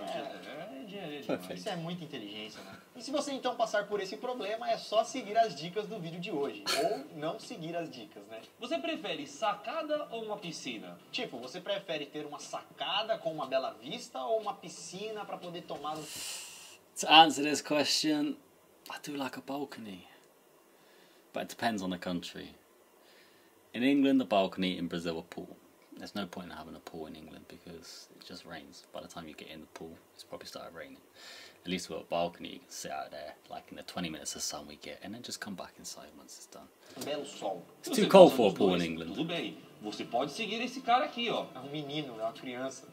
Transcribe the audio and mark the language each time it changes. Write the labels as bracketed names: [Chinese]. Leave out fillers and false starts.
[Portuguese] é engenharia. Isso é muita inteligência, né? E se você então passar por esse problema, é só seguir as dicas do vídeo de hoje. Ou não seguir as dicas, né? Você prefere sacada ou uma piscina? Tipo, você prefere ter uma sacada com uma bela vista ou uma piscina pra poder tomar... [English] To answer this question, I do like a balcony. But it depends on the country. In England, a balcony. In Brazil, a pool. There's no point in having a pool in England because it just rains. By the time you get in the pool, it's probably started raining. At least with a balcony, you can sit out there, like in the 20 minutes of sun we get, and then just come back inside once it's done. [Portuguese] Belo sol. [English] It's too cold for a pool in England. [Portuguese] Tudo bem. Você pode seguir esse cara aqui, ó. É um menino, é uma criança.